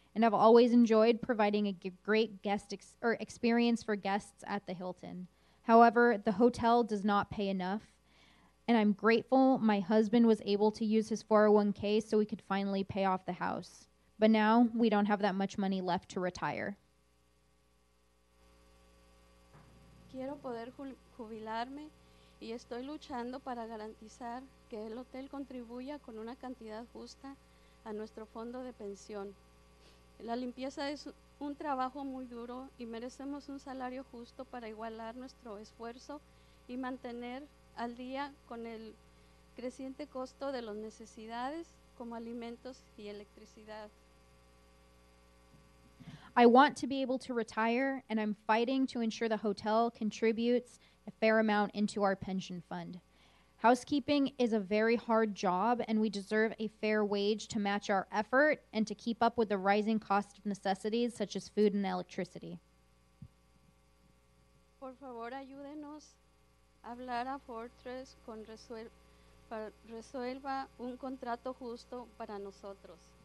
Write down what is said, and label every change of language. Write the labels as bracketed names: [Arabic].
[English] And I've always enjoyed providing a great guest experience for guests at the Hilton. However, the hotel does not pay enough, and I'm grateful my husband was able to use his 401k so we could finally pay off the house. But now, we don't have that much money left to retire. [Spanish] Quiero poder jubilarme, y estoy luchando para garantizar que el hotel contribuya con una cantidad justa a nuestro fondo de pensión. La limpieza es un trabajo muy duro y merecemos un salario justo para igualar nuestro esfuerzo y mantener al día con el creciente costo de las necesidades como alimentos y electricidad. [English] I want to be able to retire and I'm fighting to ensure the hotel contributes a fair amount into our pension fund. Housekeeping is a very hard job, and we deserve a fair wage to match our effort and to keep up with the rising cost of necessities such as food and electricity. [Spanish] Por favor, ayúdenos a hablar a Fortress con para resuelva un contrato justo para nosotros.